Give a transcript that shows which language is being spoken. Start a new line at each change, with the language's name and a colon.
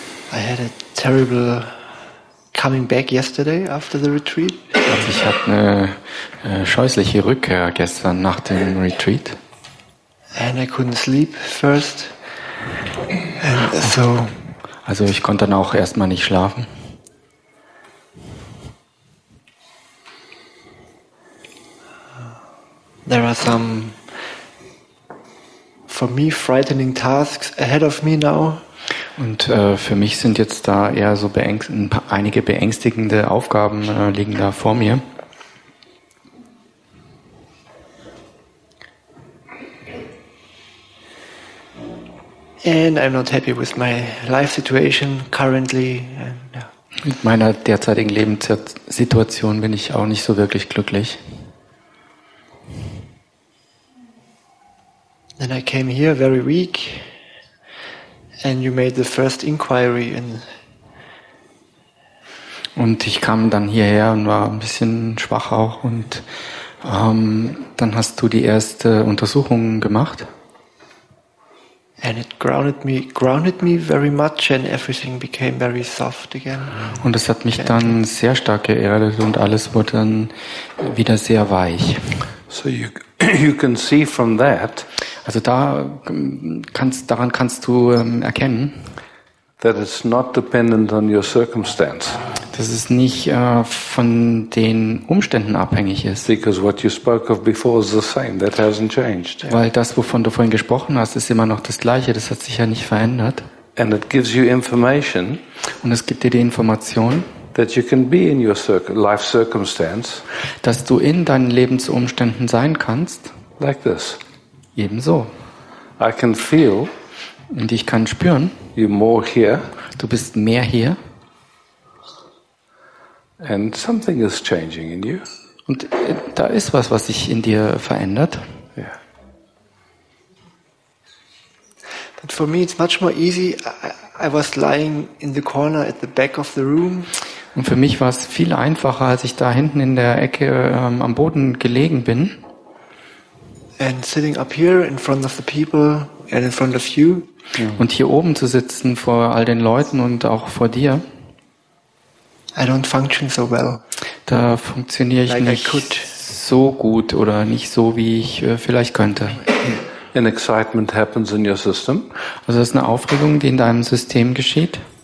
English: I had a terrible coming back yesterday after the retreat.
German: Also ich hatte eine scheußliche Rückkehr gestern nach dem Retreat.
English: And I couldn't sleep first. And so.
German: Also ich konnte dann auch erstmal nicht schlafen.
English: There are some, for me, frightening tasks ahead of me now.
German: Und für mich sind jetzt da eher so einige beängstigende Aufgaben liegen da vor mir.
English: And I'm not happy with my life situation currently. And, yeah.
German: Mit meiner derzeitigen Lebenssituation bin ich auch nicht so wirklich glücklich.
English: Then I came here very weak and you made the first inquiry in.
German: Und ich kam dann hierher und war ein bisschen schwach auch und dann hast du die erste Untersuchung gemacht.
English: And it grounded me very much and everything became very soft again.
German: Und es hat mich dann sehr stark geerdet und alles wurde dann wieder sehr weich.
English: So you can see from that.
German: Also daran kannst du erkennen,
English: that it's not dependent on your circumstance.
German: Dass es nicht von den Umständen abhängig ist.
English: Because what you spoke of before is the same. That hasn't changed.
German: Weil das, wovon du vorhin gesprochen hast, ist immer noch das Gleiche. Das hat sich ja nicht verändert.
English: And it gives you information.
German: Und es gibt dir die Information.
English: That you can be in your life circumstance.
German: Dass du in deinen Lebensumständen sein kannst.
English: Like this.
German: Ebenso.
English: I can feel.
German: Und ich kann spüren.
English: You're more here.
German: Du bist mehr hier.
English: And something is changing in you.
German: Und da ist was, was sich in dir verändert.
English: Yeah. But for me, it's much more easy. I was lying in the corner at the back of the room.
German: Und für mich war es viel einfacher, als ich da hinten in der Ecke am Boden gelegen bin.
English: And sitting up here in front of the people and in front of you.
German: Und hier oben zu sitzen vor all den Leuten und auch vor dir.
English: I don't function so well.
German: Da funktioniere ich nicht so gut oder nicht so, wie ich vielleicht könnte.
English: An excitement happens in your system.
German: Also es ist eine Aufregung, die in deinem System geschieht.